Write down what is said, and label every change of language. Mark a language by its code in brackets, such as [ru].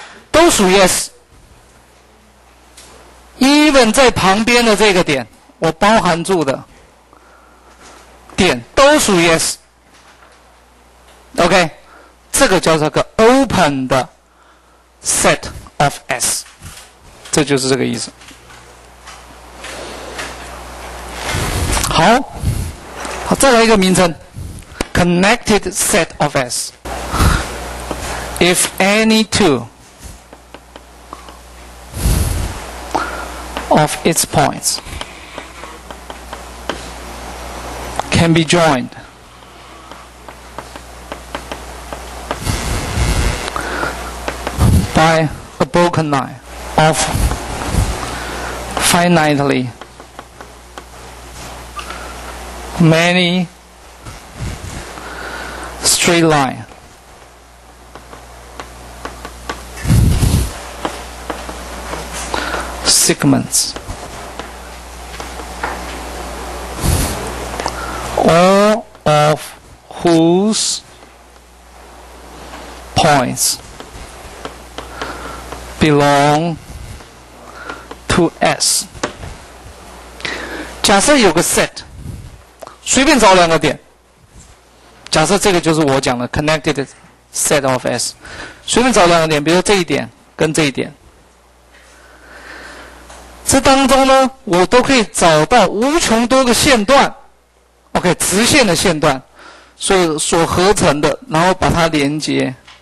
[zh] 都属于 S， even 在旁边的这个点，我包含住的点都属于 S。 OK， 这个叫做个 open 的 set of S， 这就是这个意思。好，再来一个名称 ，connected set of S， [en] If any two of its points can be joined, by a broken line of finitely many straight lines, segments, all of whose points belong to S. [zh] 假设有个 set， 随便找两个点。假设这个就是我讲的 connected set of S， 随便找两个点，比如说这一点跟这一点。这当中呢，我都可以找到无穷多个线段 ，OK， 直线的线段，所合成的，然后把它连接